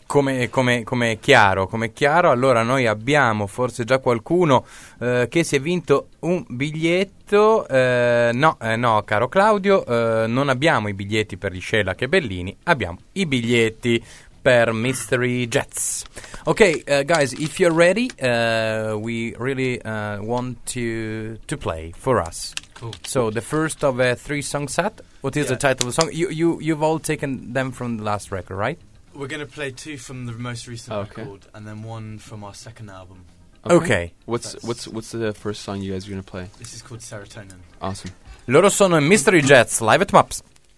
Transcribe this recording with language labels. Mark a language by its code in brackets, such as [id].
[it] Come chiaro, allora noi abbiamo forse già qualcuno che si è vinto un biglietto. No, caro Claudio, non abbiamo i biglietti per gli Scelac e Bellini, abbiamo i biglietti per Mystery Jets. [en] Ok, guys, if you're ready, we really want to play for us. Cool. So the first of a 3-song set, what is the title of the song? You've all taken them from the last record, right? We're going to play 2 from the most recent record and then 1 from our second album. Okay. What's the first song you guys are gonna play? This is called Serotonin. Awesome. [it] Loro sono Mystery Jets live at MUPS.